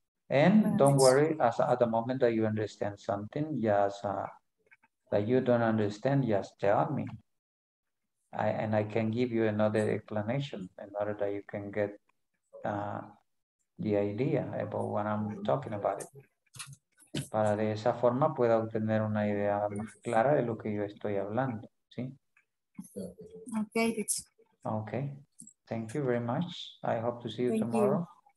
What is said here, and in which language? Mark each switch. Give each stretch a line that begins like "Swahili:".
English: And don't worry, as at the moment that you understand something, just that you don't understand, just tell me. I can give you another explanation in order that you can get the idea about what I'm talking about.
Spanish: Para de esa forma pueda obtener una idea más clara de lo que yo estoy hablando, ¿sí?
English: Okay. Okay. Thank you very much. I hope to see you tomorrow.